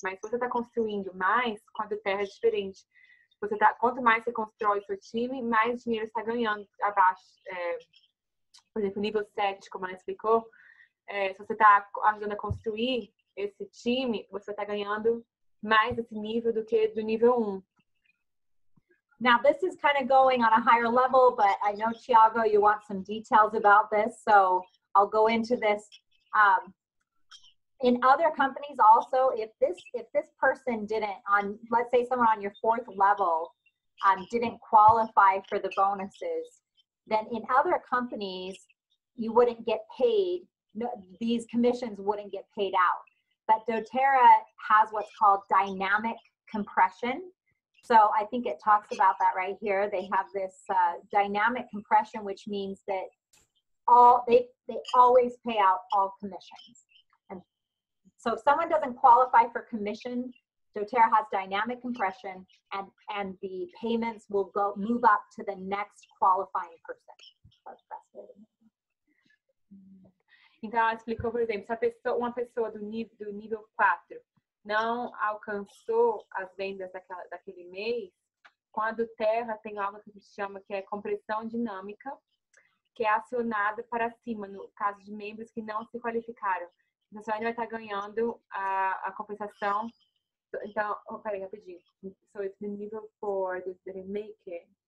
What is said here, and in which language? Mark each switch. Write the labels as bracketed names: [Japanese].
[Portuguese] Mas se você está construindo mais, quando terra é diferente. Você tá, quanto mais você constrói seu time, mais dinheiro você está ganhando abaixo. Por exemplo, nível 7, como ela explicou, se você está ajudando a construir esse time, você está ganhando mais desse nível do que do nível 1. [English] Now, this is kind of going on a higher level, but I know, Thiago, you want some details about this, so I'll go into this. In other companies also, if this person didn't, on let's say someone on your 4th level didn't qualify for the bonuses, then in other companies, you wouldn't get paid, these commissions wouldn't get paid out. But doTERRA has what's called dynamic compression. So I think it talks about that right here. They have this dynamic compression, which means that they always pay out all commissions. So if someone doesn't qualify for commission, doTERRA has dynamic compression and the payments will move up to the next qualifying person. [Portuguese] Então, ela explicou, por exemplo, se uma pessoa do nível 4 não alcançou as vendas daquele mês, com a doTERRA tem algo que a gente chama que é compressão dinâmica, que é acionada para cima, no caso de membros que não se qualificaram. Então, você ainda vai estar ganhando a compensação. Então, peraí, rapidinho. [English] So, it's the nível 4, did it make it?